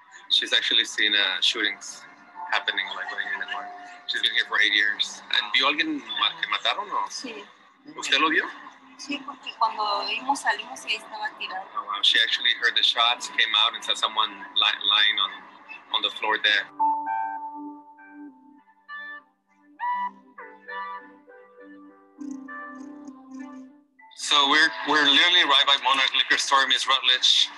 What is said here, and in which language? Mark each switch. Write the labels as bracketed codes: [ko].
[en] She's actually seen shootings happening like right in the morning. She's been here for 8 years. And [es] ¿vio alguien que mataron o? Sí. ¿Usted lo vio? Sí, porque cuando vimos salimos y ahí estaba tirado. [en] Oh, wow. She actually heard the shots, came out and saw someone lying on the floor there. So we're literally right by Monarch Liquor Store, Ms. Rutledge.